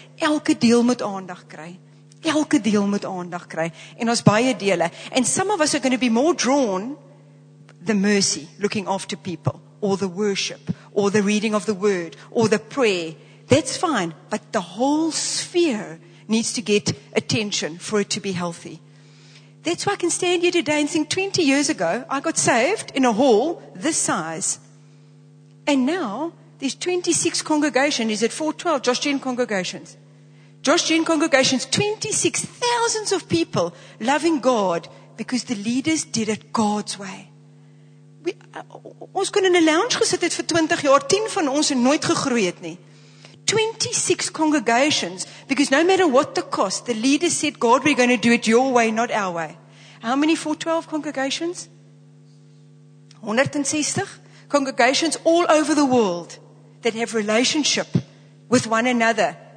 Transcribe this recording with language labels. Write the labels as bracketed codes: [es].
[af] Elke deel moet aandag kry. Elke deel moet aandag kry. En ons baie dele. [en] And some of us are going to be more drawn the mercy, looking after people, or the worship, or the reading of the word, or the prayer. That's fine, but the whole sphere needs to get attention for it to be healthy. That's why I can stand here today and think 20 years ago, I got saved in a hall this size. And now, there's 26 congregations. Is it 412 Josh Jean congregations? Josh Jean congregations, 26,000 of people loving God because the leaders did it God's way. [af] Ons kon in 'n lounge gesit het vir 20 jaar, 10 van ons het nooit gegroei het nie. [en] 26 congregations, because no matter what the cost, the leaders said, God, we're going to do it your way, not our way. How many for 12 congregations? 160 congregations all over the world that have relationship with one another.